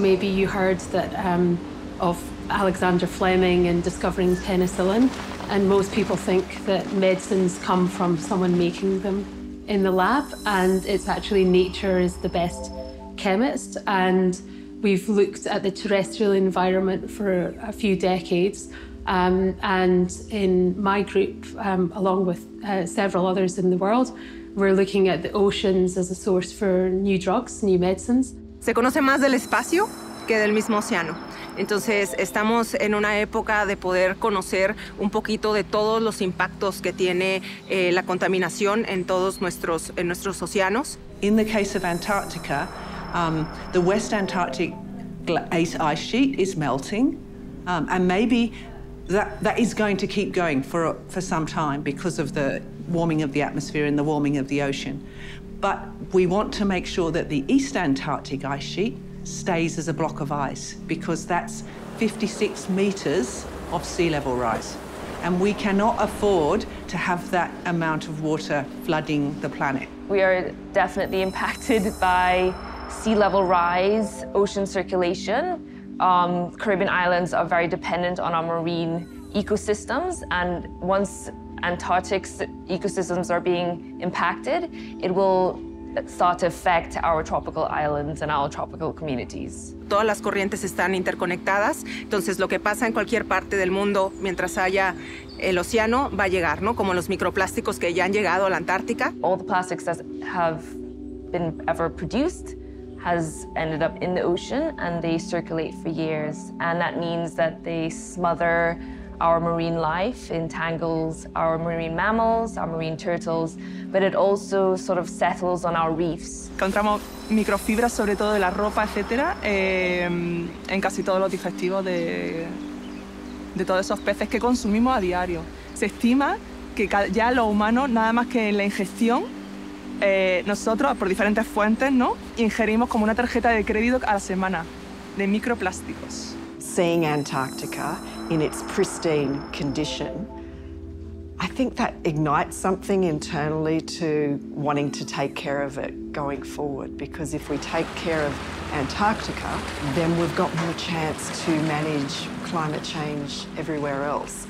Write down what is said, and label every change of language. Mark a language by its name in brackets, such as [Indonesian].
[English] Maybe you heard that of Alexander Fleming and discovering penicillin, and most people think that medicines come from someone making them in the lab, and it's actually nature is the best chemist. And we've looked at the terrestrial environment for a few decades, and in my group, along with several others in the world, we're looking at the oceans as a source for new drugs, new medicines. [Spanish] Se conoce más del espacio que del mismo océano. Entonces, estamos en una época de poder conocer un poquito de todos los impactos que tiene la contaminación en todos nuestros océanos. [English] In the case of Antarctica, the West Antarctic ice sheet is melting, and maybe that is going to keep going for some time because of the warming of the atmosphere and the warming of the ocean. But we want to make sure that the East Antarctic ice sheet stays as a block of ice, because that's 56 meters of sea level rise. And we cannot afford to have that amount of water flooding the planet. We are definitely impacted by sea level rise, ocean circulation. Caribbean islands are very dependent on our marine ecosystems, and once Antarctic's ecosystems are being impacted, it will start to affect our tropical islands and our tropical communities. [Spanish] Todas las corrientes están interconectadas, entonces lo que pasa en cualquier parte del mundo mientras haya el océano va a llegar, ¿no? Como los microplásticos que ya han llegado a la Antártica. [English] All the plastics that have been ever produced has ended up in the ocean, and they circulate for years, and that means that they smother our marine life, entangles our marine mammals, our marine turtles, but it also sort of settles on our reefs. [Spanish] Encontramos microfibras, sobre todo de la ropa, etcétera, en casi todos los digestivos de todos esos peces que consumimos a diario. Se estima que ya los humanos, nada más que en la ingestión, nosotros, por diferentes fuentes, ¿no?, ingerimos como una tarjeta de crédito a la semana de microplásticos. [English] Seeing Antarctica in its pristine condition, I think that ignites something internally to wanting to take care of it going forward, because if we take care of Antarctica, then we've got more chance to manage climate change everywhere else.